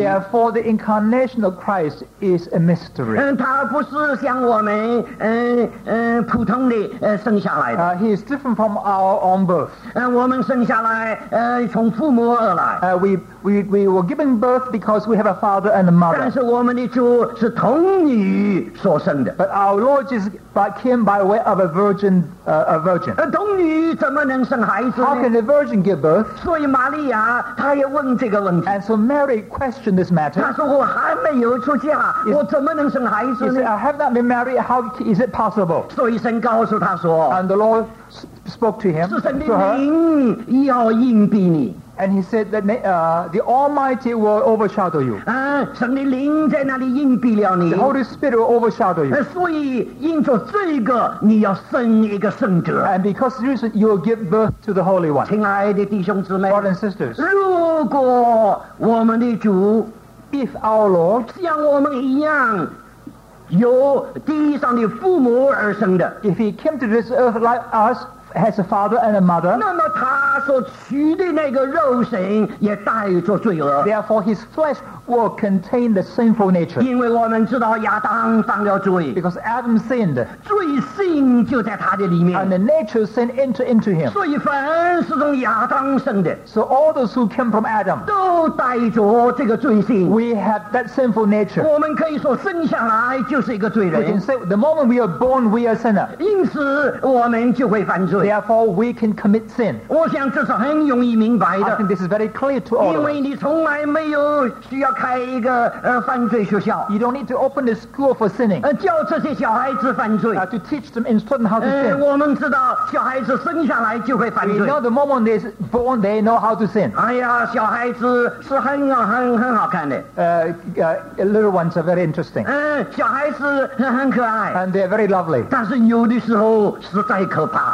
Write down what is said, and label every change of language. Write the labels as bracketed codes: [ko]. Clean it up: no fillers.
[en] Therefore the incarnation of Christ is a mystery. [zh] 他不是像我们普通的生下来的。 [en] He is different from our own birth. [zh] 我们生下来从父母而来。 [en] We were given birth because we have a father and a mother. [zh] 但是我们的主是童女所生的。 [en] But our Lord Jesus came by way of a virgin. [zh] 童女怎么能生孩子呢? [en] How can a virgin give birth? [zh] 所以玛利亚她也问这个问题。 [en] And so Mary questioned this matter. [zh] 她说我还没有出嫁，我怎么能生孩子呢? [en] He said, I have not been married. How is it possible? [zh] 所以神告诉她说, [en] and the Lord spoke to him. [zh] 是神的灵要应庇你。 [en] And he said that the Almighty will overshadow you. [zh] 神的灵在那里应庇了你。 [en] The Holy Spirit will overshadow you. [zh] 所以因着这个你要生一个圣者。 [en] And because of this, you will give birth to the Holy One. [zh] 亲爱的弟兄姊妹, [en] brothers and sisters, [zh] 如果我们的主, [en] if our Lord, [zh] 像我们一样, 由地上的父母而生的, [en] if he came to this earth like us, has a father and a mother, [zh] 那么他所取的那个肉身也带着罪恶, [en] therefore his flesh will contain the sinful nature. [zh] 因为我们知道亚当犯了罪, [en] because Adam sinned, [zh] 罪性就在他的里面, [en] and the nature sin entered into him. [zh] 所以凡是从亚当生的, [en] so all those who came from Adam, [zh] 都带着这个罪性, [en] we have that sinful nature. [zh] 我们可以说生下来就是一个罪人, [en] we can say the moment we are born we are sinner. [zh] 因此我们就会犯罪, [en] therefore we can commit sin. [zh] 我想这是很容易明白的, [en] I think this is very clear to all of us. [zh] 因为你从来没有需要 开一个犯罪学校, [en] you don't need to open the school for sinning, [zh] 教这些小孩子犯罪, [en] to teach them in certain how to sin. [zh] 我们知道小孩子生下来就会犯罪, [en] we know the moment they're born they know how to sin. [zh] 哎呀小孩子是很好看的, [en] little ones are very interesting, [zh] 小孩子很可爱, [en] and they're very lovely, [zh] 但是有的时候实在可怕,